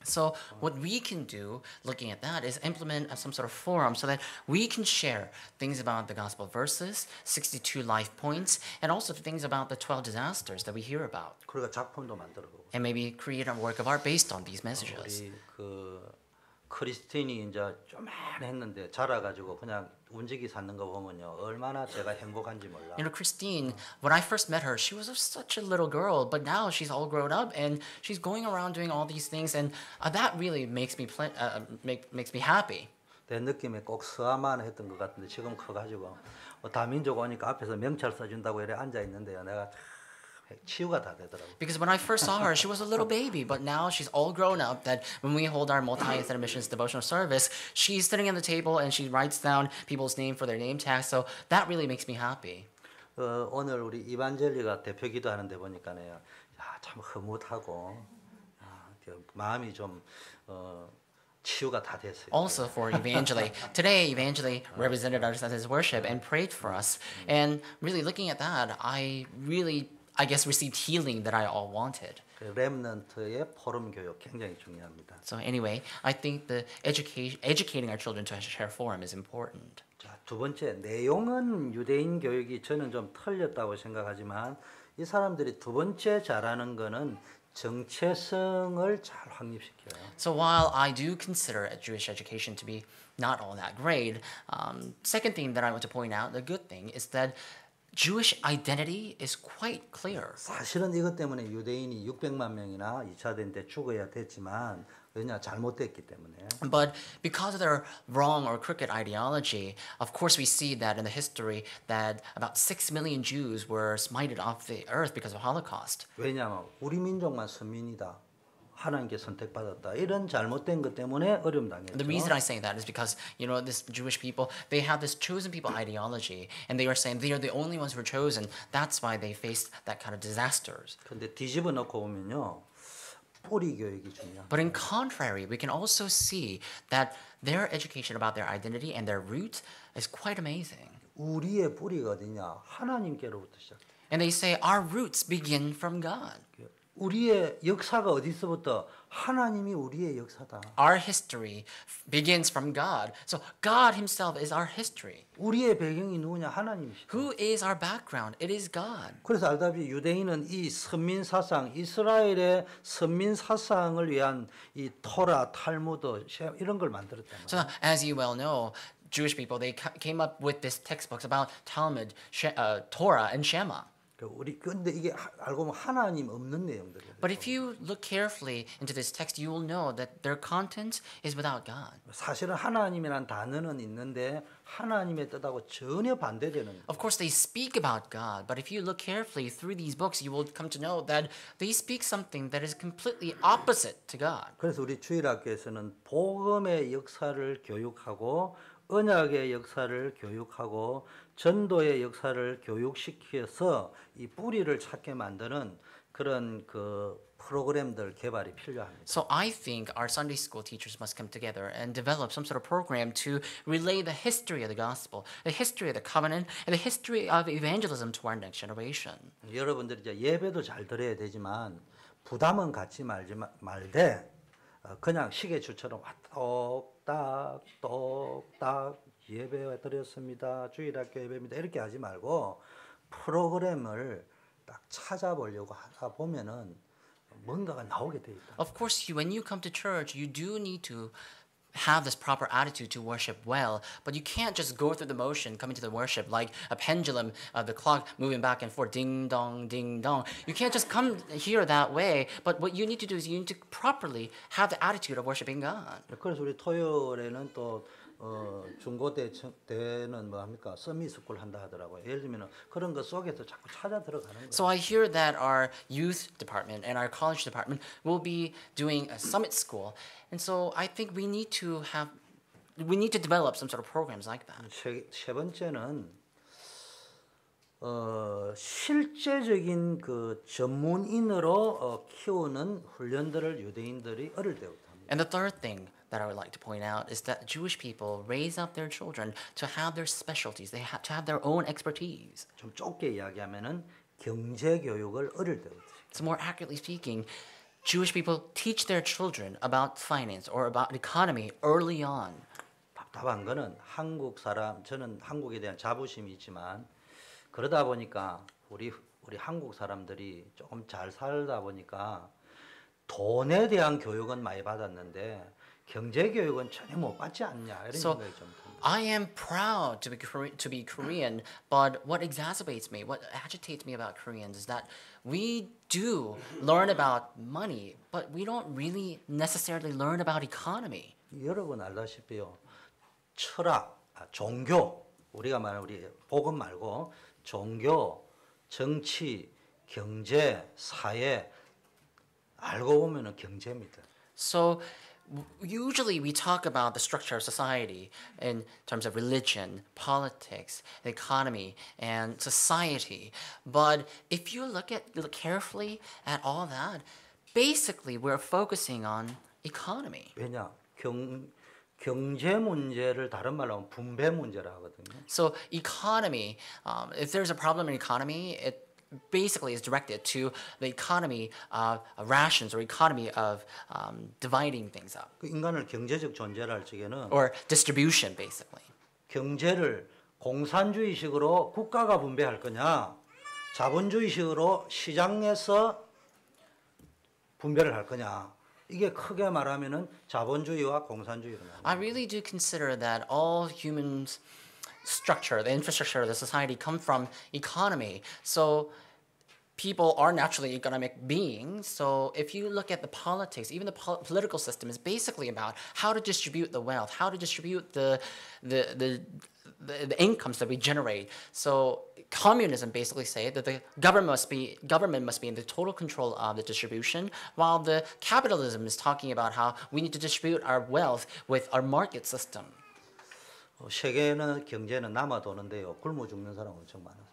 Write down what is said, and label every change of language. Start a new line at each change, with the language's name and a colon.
English: So what we can do, looking at that, is implement some sort of forum so that we can share things about the gospel verses, 62 life points, and also things about the 12 disasters that we hear about.
Korean: 그리고 작품도 만들어보고.
English: And maybe create a work of art based on these messages.
Korean: 크리스틴이 이제 좀만 했는데 자라가지고 그냥 움직이 사는 거 보면요 얼마나 제가 행복한지 몰라.
English: You know, Christine, when I first met her, she was such a little girl, but now she's all grown up and she's going around doing all these things, and that really makes me makes me happy.
Korean: 내 느낌에 꼭 서아만 했던 것 같은데 지금 커가지고 뭐 다민족 오니까 앞에서 명찰 써준다고 이래 앉아 있는데요 내가.
English: Because when I first saw her, she was a little baby, but now she's all grown up. That when we hold our multi-ethnic missions devotional service, she's sitting at the table and she writes down people's name for their name tag. So that really makes me happy.
Korean: 오늘 우리 이반젤리가 대표 기도하는데 보니까요, 참 흐뭇하고 마음이 좀 치유가 다 됐어요.
English: Also for Evangelie, today Evangelie represented us at his worship and prayed for us. And really looking at that, I guess received healing that I all wanted.
Korean: Remnant의 포럼 교육 굉장히 중요합니다.
English: So anyway, I think the educating our children to share forum is important.
Korean: 자, 두 번째 내용은 유대인 교육이 저는 좀 틀렸다고 생각하지만 이 사람들이 두 번째 잘하는 거는 정체성을 잘 확립시켜요.
English: So while I do consider a Jewish education to be not all that great, second thing that I want to point out, the good thing is that Jewish identity is quite clear.
Korean: 사실은 이것 때문에 유대인이 600만 명이나 2차 대전 때 죽어야 됐지만 왜냐 잘못됐기 때문에.
English: But because of their wrong or crooked ideology, of course we see that in the history that about 6 million Jews were smited off the earth because of Holocaust.
Korean: 왜냐면 우리 민족만 선민이다. 하나님께 선택받았다 이런 잘못된 것 때문에 어려움 당했죠.
English: The reason I say that is because you know this Jewish people they have this chosen people ideology and they are saying they are the only ones who are chosen. That's why they faced that kind of disasters.
Korean: 근데 뒤집어 놓고 보면요 뿌리 교육이 중요합니다.
English: But in contrary, we can also see that their education about their identity and their root is quite amazing.
Korean: 우리의 뿌리가 어디냐? 하나님께로부터 시작.
English: And they say our roots begin from God.
Korean: 우리의 역사가 어디서부터 하나님이 우리의 역사다.
English: Our history begins from God. So God himself is our history.
Korean: 우리의 배경이 누구냐? 하나님이시다.
English: Who is our background? It is God.
Korean: 그래서 알다시피 유대인은 이 선민 사상, 이스라엘의 선민 사상을 위한 이 토라, 탈무드 이런 걸 만들었다.
English: So as you well know, Jewish people they came up with this textbooks about Talmud, Torah and Shema.
Korean: 우리 근데 이게 알고 보면 하나님 없는 내용들이에요.
English: But if you look carefully into this text, you will know that their content is without God.
Korean: 사실은 하나님이란 단어는 있는데 하나님의 뜻하고 전혀 반대되는.
English: Of course, they speak about God, but if you look carefully through these books, you will come to know that they speak something that is completely opposite to God.
Korean: 그래서 우리 주일학교에서는 복음의 역사를 교육하고 언약의 역사를 교육하고. 전도의 역사를 교육시켜서 이 뿌리를 찾게 만드는 그런 그 프로그램들 개발이 필요합니다.
English: So I think our Sunday school teachers must come together and develop some sort of program to relay the history of the gospel, the history of the covenant, and the history of evangelism to our next generation.
Korean: 여러분들 이제 예배도 잘 들어야 되지만 부담은 갖지 말지 말되 그냥 시계추처럼 똑딱 똑딱 예배 드렸습니다. 주일학교 예배입니다. 이렇게 하지 말고 프로그램을 딱 찾아보려고 하다 보면은 뭔가가 나오게 돼 있다.
English: Of course, when you come to church, you do need to have this proper attitude to worship well, but you can't just go through the motion coming to the worship like a pendulum of the clock moving back and forth, ding dong, ding dong. You can't just come here that way, but what you need to do is you need to properly have the attitude of worshiping God.
Korean: 그래서 우리 토요일에는 또 중고대는 뭐 합니까? 서미스쿨 한다 하더라고요. 예를 들면 그런 거 속에서 자꾸 찾아 들어가는 거예요.
English: So I hear that our youth department and our college department will be doing a summit school. And so I think we need to develop some sort of programs like that.
Korean: 세 번째는 실제적인 그 전문인으로 키우는 훈련들을 유대인들이 어릴 때부터 합니다.
English: And the third thing that I would like to point out is that Jewish people raise up their children to have their specialties, they have to have their own expertise.
Korean: 좀 좁게 이야기하면은 경제 교육을 어릴 때부터.
English: So more accurately speaking, Jewish people teach their children about finance or about economy early on.
Korean: 답답한 거는 한국 사람 저는 한국에 대한 자부심이 있지만 그러다 보니까 우리 한국 사람들이 조금 잘 살다 보니까 돈에 대한 교육은 많이 받았는데 경제 교육은 전혀 못 받지 않냐 이런
English: so,
Korean: 생각이 좀 듭니다.
English: I am proud to be Korean, but what exacerbates me, what agitates me about Koreans is that we do learn about money, but we don't really necessarily learn about economy.
Korean: 여러분 알다시피요. 철학, 종교, 우리가 말하는 우리 복음 말고 종교, 정치, 경제, 사회 알고 보면은 경제입니다.
English: So usually we talk about the structure of society in terms of religion, politics, the economy, and society. But if you look carefully at all that, basically we're focusing on economy.
Korean: 왜냐? 경제 문제를 다른 말로 하면 분배 문제라 하거든요.
English: So economy, if there's a problem in economy, it basically is directed to the economy of rations or economy of dividing things up.
Korean: 그 인간을 경제적 존재라 할 적에는
English: or distribution basically.
Korean: 경제를 공산주의식으로 국가가 분배할 거냐, 자본주의식으로 시장에서 분배를 할 거냐. 이게 크게 말하면은 자본주의와 공산주의로 나뉩니다.
English: I really do consider that all human structure, the infrastructure of the society come from economy. So people are naturally economic beings. So if you look at the politics, even the political system is basically about how to distribute the wealth, how to distribute the incomes that we generate. So communism basically say that the government must be in the total control of the distribution, while the capitalism is talking about how we need to distribute our wealth with our market system.
Korean: 세계는 경제는 남아도는데요. 굶어 죽는 사람 엄청 많아요.